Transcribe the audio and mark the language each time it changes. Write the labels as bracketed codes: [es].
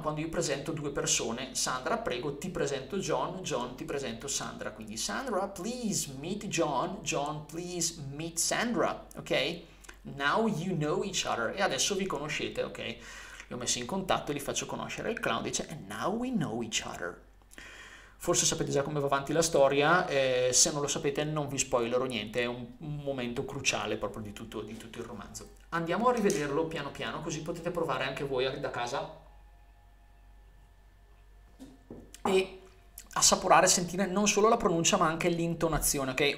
[it] Quando io presento due persone, Sandra, prego, ti presento John, John, ti presento Sandra. [en] Quindi Sandra, please meet John, John, please meet Sandra. Ok? Now you know each other. [it] E adesso vi conoscete, ok? Li ho messi in contatto, li faccio conoscere. Il clown dice, [en] and now we know each other. [it] Forse sapete già come va avanti la storia, se non lo sapete non vi spoilerò niente, è un momento cruciale proprio di tutto il romanzo. Andiamo a rivederlo piano piano, così potete provare anche voi da casa e assaporare, sentire non solo la pronuncia ma anche l'intonazione, ok?